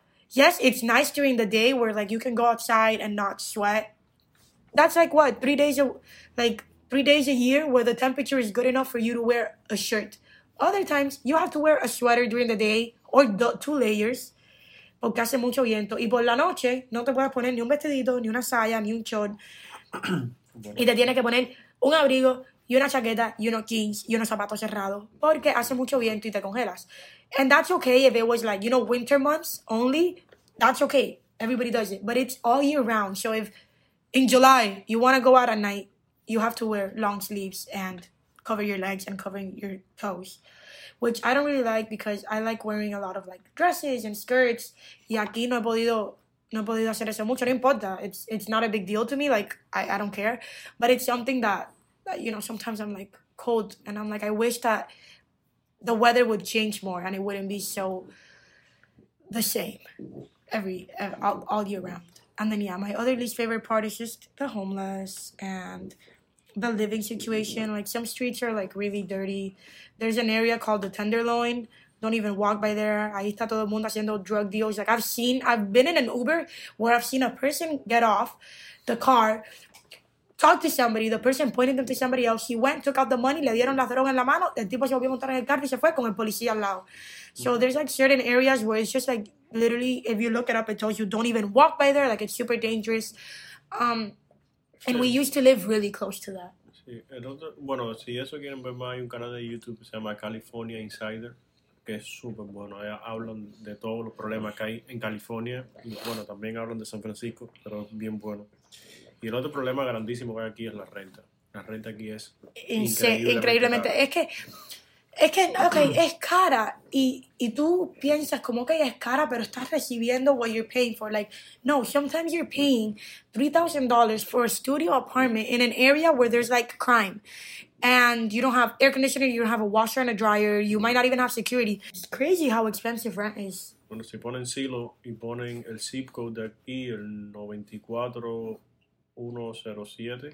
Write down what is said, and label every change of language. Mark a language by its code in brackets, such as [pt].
[en] Yes, it's nice during the day where, like, you can go outside and not sweat. That's, like, what, 3 days a year where the temperature is good enough for you to wear a shirt. Other times, you have to wear a sweater during the day or two layers. [es] Porque hace mucho viento. Y por la noche, no te puedes poner ni un vestidito, ni una saya, ni un chon. Y te tienes que poner un abrigo y una chaqueta y unos jeans y unos zapatos cerrados. Porque hace mucho viento y te congelas. [en] And that's okay if it was, like, you know, winter months only. That's okay. Everybody does it. But it's all year round. So if in July you want to go out at night, you have to wear long sleeves and cover your legs and covering your toes, which I don't really like because I like wearing a lot of, like, dresses and skirts. [es] Y aquí no he podido hacer eso mucho. No importa. [en] It's not a big deal to me. Like, I don't care. But it's something that, you know, sometimes I'm, like, cold. And I'm, like, I wish that... the weather would change more and it wouldn't be so the same all year round. And then, yeah, my other least favorite part is just the homeless and the living situation. Like, some streets are, like, really dirty. There's an area called the Tenderloin. Don't even walk by there. [es] Ahí está todo el mundo haciendo drug deals. [en] Like, I've been in an Uber where I've seen a person get off the car, talk to somebody, the person pointed them to somebody else, he went, took out the money, [es] le dieron la droga en la mano, el tipo se volvió a montar en el carro y se fue con el policía al lado. [en] So there's, like, certain areas where it's just, like, literally, if you look it up, it tells you don't even walk by there, like, it's super dangerous. And we used to live really close to that. [es] Sí. Bueno, si eso quieren ver más, hay un canal de YouTube que se llama California Insider, que es súper bueno. Ahí hablan de todos los problemas que hay en California, y bueno, también hablan de San Francisco, pero bien bueno. Y el otro problema grandísimo que hay aquí es la renta. La renta aquí es increíblemente cara. Es que, okay, es cara. Y tú piensas como que es cara, pero estás recibiendo [en] what you're paying for. Like, no, sometimes you're paying $3,000 for a studio apartment in an area where there's, like, crime. And you don't have air conditioning, you don't have a washer and a dryer, you might not even have security. It's crazy how expensive rent is. [es] Bueno, si ponen silo y ponen el zip code de aquí, el 94107